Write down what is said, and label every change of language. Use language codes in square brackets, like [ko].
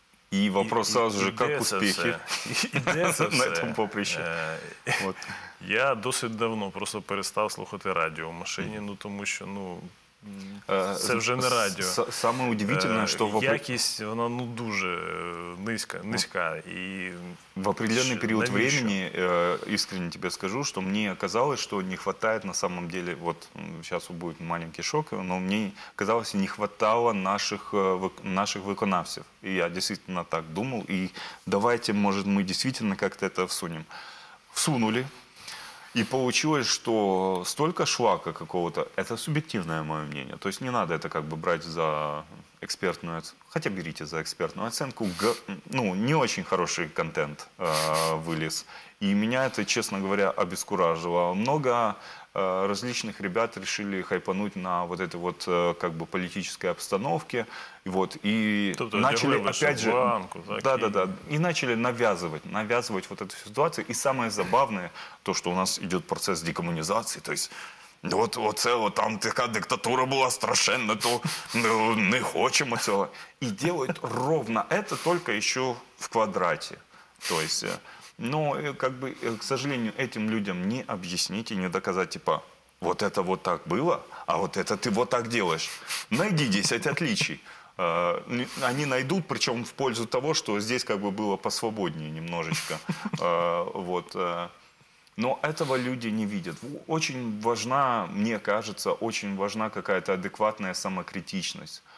[uk] І вопрос одразу же, як успіхи на цьому поприщі? Я досить давно просто перестав слухати радіо в машині, ну тому що, ну, це вже не радіо. Саме удивительне, що якість, вона, ну, дуже низька, низька. І [ru] в определенный период времени, искренне тебе скажу, что мне казалось, что не хватает на самом деле, вот сейчас будет маленький шок, но мне казалось, не хватало наших выконавцев. И я действительно так думал, и давайте, может, мы действительно как-то это всунем. Всунули, и получилось, что столько швака какого-то, это субъективное мое мнение, то есть не надо это как бы брать за экспертную, хотя берите за экспертную оценку, ну, не очень хороший контент вылез. И меня это, честно говоря, обескуражило. Много различных ребят решили хайпануть на вот этой вот как бы политической обстановке. Вот, и тут начали опять же... Банку, да, да, да. И начали навязывать вот эту ситуацию. И самое забавное, то, что у нас идет процесс декоммунизации, то есть... [uk] От оце, от там така диктатура була страшенна, то не хочемо цього. І роблять ровно це, тільки ще в квадраті. Тобто, ну, як би, [ru] к сожалению, [uk] цим людям не об'яснити і не доказати, типа, от це от так було, а от це ти от так робиш. Найди 10 відличий. [ru] Они найдут, причем в пользу того, что здесь как бы было посвободнее немножечко. Вот. Но этого люди не видят. Очень важна, мне кажется, очень важна какая-то адекватная самокритичность.